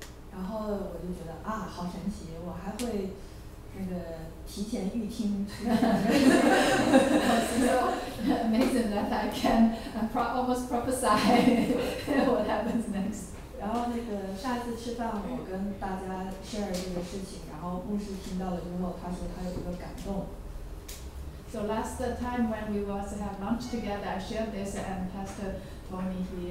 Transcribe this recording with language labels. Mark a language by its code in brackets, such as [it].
[zh] 然后我就觉得啊，好神奇，我还会那个提前预听。 [en] Amazing that I can almost prophesy what happens next. [zh] 然后那个上次吃饭，我跟大家 [en] share [zh] 这个事情，然后牧师听到了之后，他说他有一个感动。 [en] So last time when we was have lunch together, I shared this, and Pastor told me